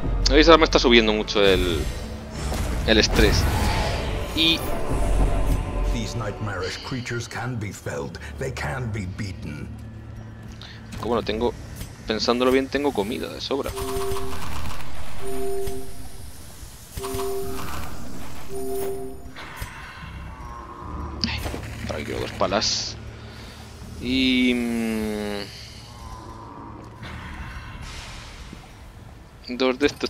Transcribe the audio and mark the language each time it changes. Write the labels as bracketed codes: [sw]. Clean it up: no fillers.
[es] Veis, ahora me está subiendo mucho el estrés. Y [en] these nightmarish creatures can be felled, they can be beaten. [es] Como no tengo, pensándolo bien, tengo comida de sobra. Ahora quiero dos palas. Y dos de estos.